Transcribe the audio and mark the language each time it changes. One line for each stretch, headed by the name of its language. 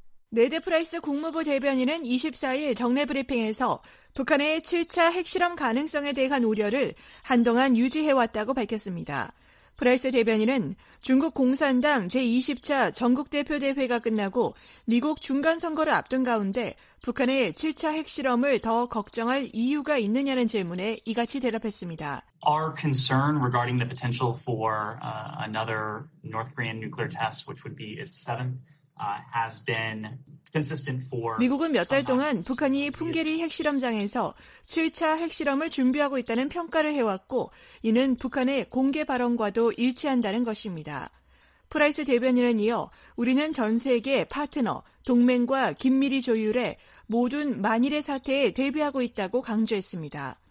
Korean: 네드 프라이스 국무부 대변인은 24일 정례 브리핑에서 북한의 7차 핵실험 가능성에 대한 우려를 한동안 유지해왔다고 밝혔습니다. 프라이스 대변인은 중국 공산당 제20차 전국대표대회가 끝나고 미국 중간선거를 앞둔 가운데 북한의 7차 핵실험을 더 걱정할 이유가 있느냐는 질문에 이같이 대답했습니다.
English: Our concern regarding the potential for another North Korean nuclear test, which would be its seventh, has been consistent for
Korean: 미국은 몇 달 동안 북한이 풍계리 핵실험장에서 7차 핵실험을 준비하고 있다는 평가를 해왔고 이는 북한의 공개 발언과도 일치한다는 것입니다. 프라이스 대변인은 이어 우리는 전 세계 파트너, 동맹과 긴밀히 조율해 모든 만일의 사태에 대비하고 있다고 강조했습니다.